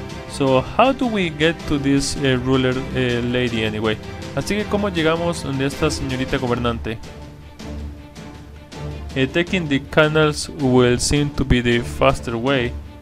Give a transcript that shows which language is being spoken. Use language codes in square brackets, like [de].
[en] So how do we get to this ruler lady anyway? [es] Así que cómo llegamos donde esta señorita gobernante. [en] Taking the canals will seem to be the faster way.